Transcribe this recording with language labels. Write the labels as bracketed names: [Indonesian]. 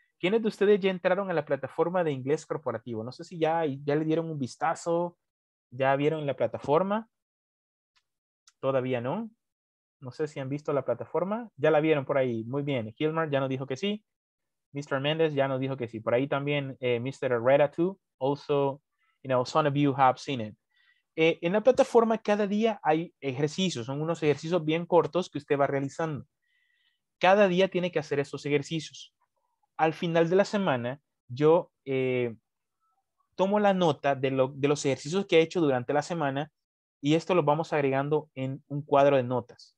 [Spanish] ¿Quiénes de ustedes ya entraron a la plataforma de inglés corporativo? No sé si ya le dieron un vistazo, ya vieron la plataforma. Todavía no. No sé si han visto la plataforma. Ya la vieron por ahí. Muy bien. Gilmar ya nos dijo que sí. Mr. Mendez ya nos dijo que sí. Por ahí también Mr. [English] Herrera too. Also, you know, some of you have seen it. [Spanish] En la plataforma cada día hay ejercicios. Son unos ejercicios bien cortos que usted va realizando. Cada día tiene que hacer esos ejercicios. Al final de la semana, yo tomo la nota de los ejercicios que he hecho durante la semana y esto lo vamos agregando en un cuadro de notas.